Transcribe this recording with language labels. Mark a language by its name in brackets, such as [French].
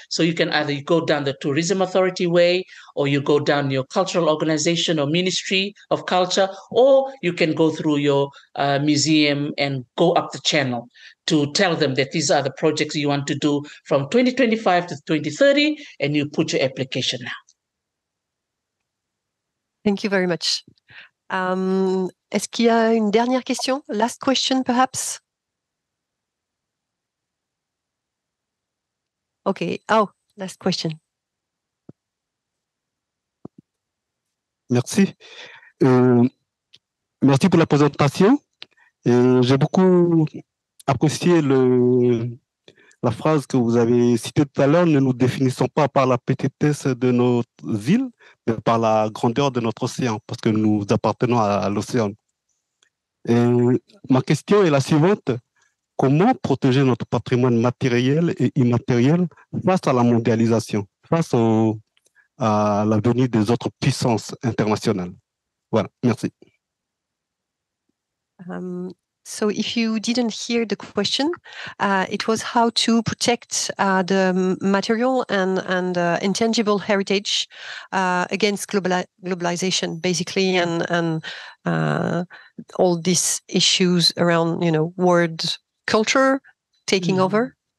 [English] So you can either go down the tourism authority way, or you go down your cultural organization or ministry of culture, or you can go through your museum and go up the channel to tell them that these are the projects you want to do from 2025 to 2030, and you put your application now. Thank you very much. [French] Est-ce qu'il y a une dernière question? [English] Last question, perhaps? Okay. Oh, last question. [French] Merci. Merci pour la présentation. J'ai beaucoup apprécié la phrase que vous avez citée tout à l'heure. Ne nous définissons pas par la petitesse de nos îles, mais par la grandeur de notre océan, parce que nous appartenons à l'océan. Ma question est la suivante. Comment protéger notre patrimoine matériel et immatériel face à la mondialisation, face à la venue des autres puissances internationales? Voilà, merci. [English] So if you didn't hear the question, it was how to protect the material and intangible heritage against globalization, basically, and all these issues around, you know, world culture taking over.